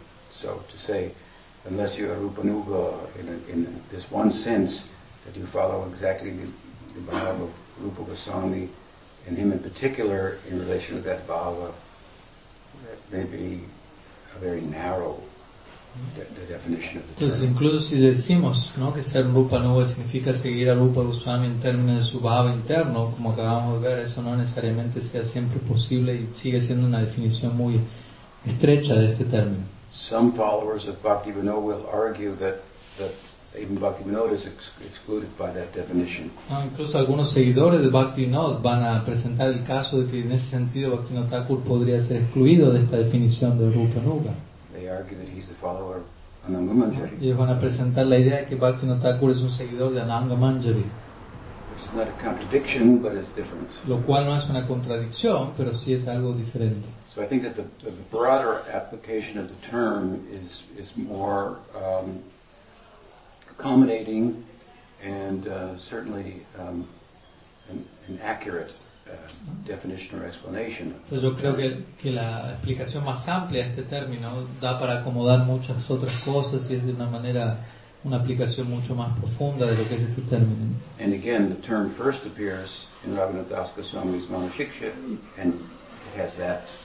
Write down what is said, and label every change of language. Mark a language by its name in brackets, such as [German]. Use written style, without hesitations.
[English] So to say, unless you are Rupanuga in this one sense that you follow exactly the bhava of Rupa Goswami and him in particular in relation to that bhava, that may be a very narrow the definition of the term. [Spanish] Incluso si decimos, ¿no?, que ser Rupanuga significa seguir a Rupa Goswami en términos de su bhava interno, como acabamos de ver, eso no necesariamente sea siempre posible y sigue siendo una definición muy estrecha de este término. [English] Some followers of Bhaktivinoda will argue that even Bhaktivinoda is excluded by that definition. [Spanish] No, incluso algunos seguidores de Bhaktivinoda van a presentar el caso de que en ese sentido Bhaktivinoda Thakur podría ser excluido de esta definición de Rupanuga. [English] They argue that he's a follower of Ananga Manjari. [Spanish] Y ellos van a presentar la idea de que Bhaktivinoda Thakur es un seguidor de Ananga Manjari. [English] Which is not a contradiction, but it's different. [Spanish] Lo cual no es una contradicción, pero sí es algo diferente. [English] So I think that the broader application of the term is more accommodating and certainly an accurate definition or explanation. [Spanish] Entonces yo creo que la explicación más amplia de este término da para acomodar muchas otras cosas y es de una manera una aplicación mucho más profunda de lo que es este término. [English] And again, the term first appears in Raghunath Das Goswami's Manushiksha and it has that.